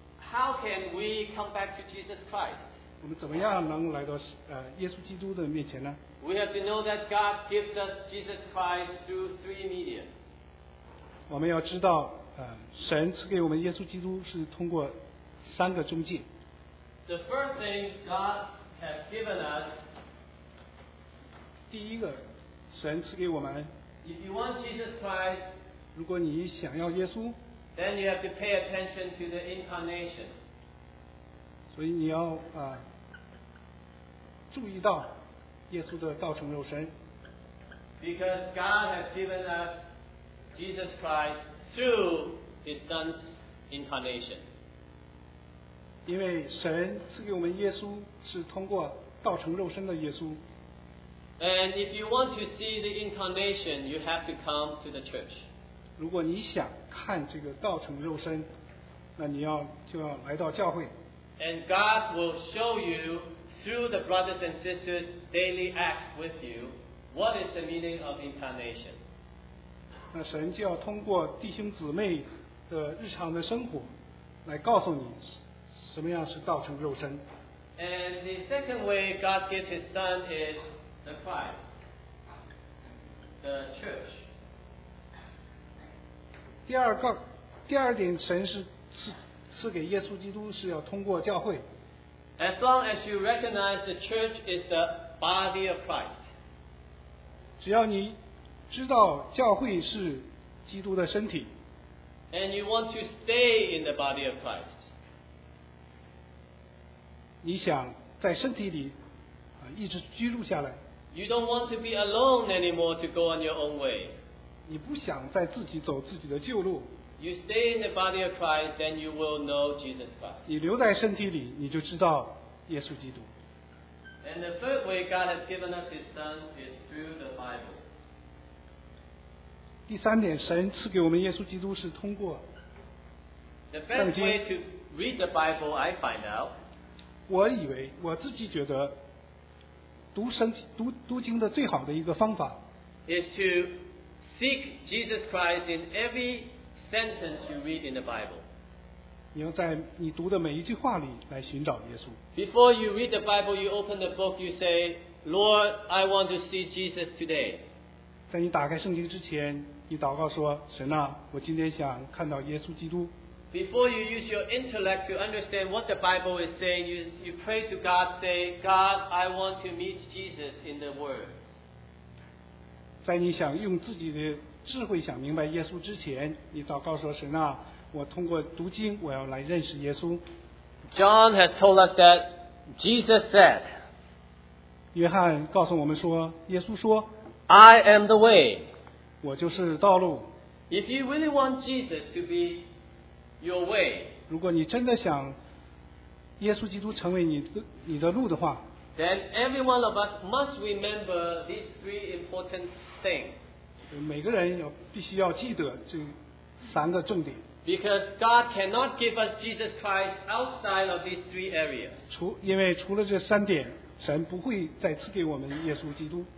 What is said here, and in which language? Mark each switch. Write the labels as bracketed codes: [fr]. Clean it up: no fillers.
[en] How can we come back to Jesus Christ? [zh] 我们怎么样能来到耶稣基督的面前呢？ [en] We have to know that God gives us Jesus Christ through three media. [zh] 我们要知道，神赐给我们耶稣基督是通过三个中介。 [en] The first thing God has given us. [zh] 第一个，神赐给我们。 [en] If you want Jesus Christ, [zh] 如果你想要耶稣 [en] then you have to pay attention to the incarnation. [zh] 所以你要注意到。耶稣的道成肉身 [en] Because God has given us Jesus Christ through His Son's incarnation. [zh] 因为神赐给我们耶稣是通过道成肉身的耶稣 [en] And if you want to see the incarnation, you have to come to the church. [zh] 如果你想看这个道成肉身，那你要就要来到教会 [en] And God will show you. Through the brothers and sisters daily acts with you, what is the meaning of incarnation? [zh] 那神就要通过弟兄姊妹的日常的生活来告诉你什么样是道成肉身。 [en] And the second way God gives his son is the Christ. the church. [zh] 第二点，神是赐给耶稣基督是要通过教会。 [en] As long as you recognize the church is the body of Christ. [zh] 只要你知道教会是基督的身体。 [en] And you want to stay in the body of Christ. [zh] 你想在身体里一直居住下来。 [en] You don't want to be alone anymore to go on your own way. [zh] 你不想再自己走自己的旧路。 [en] You stay in the body of Christ, then you will know Jesus Christ. [zh] 你留在身体里，你就知道耶稣基督。 [en] And the third way God has given us His Son is through the Bible. [zh] 第三点，神赐给我们耶稣基督是通过 [en] 圣经。The best way to read the Bible, I find out. [zh] 我以为我自己觉得读经的最好的一个方法 [en] is to seek Jesus Christ in every sentence you read in the Bible. [zh] 你要在你读的每一句话里来寻找耶稣。 [en] Before you read the Bible, you open the book, you say, Lord, I want to see Jesus today. [zh] 在你打开圣经之前，你祷告说，神啊，我今天想看到耶稣基督。 [en] Before you use your intellect to understand what the Bible is saying, you pray to God, say, God, I want to meet Jesus in the Word. [zh] 在你想用自己的智慧想明白耶稣之前，你祷告说，神啊，我通过读经，我要来认识耶稣。 [en] John has told us that Jesus said, [zh] 约翰告诉我们说，耶稣说， [en] I am the way. [zh] 我就是道路。 [en] If you really want Jesus to be your way, [zh] 如果你真的想耶稣基督成为你的路的话， [en] then every one of us must remember these three important things. [zh] 每个人要必须要记得这三个重点。 [en] Because God cannot give us Jesus Christ outside of these three areas. [zh] 因为除了这三点，神不会再赐给我们耶稣基督。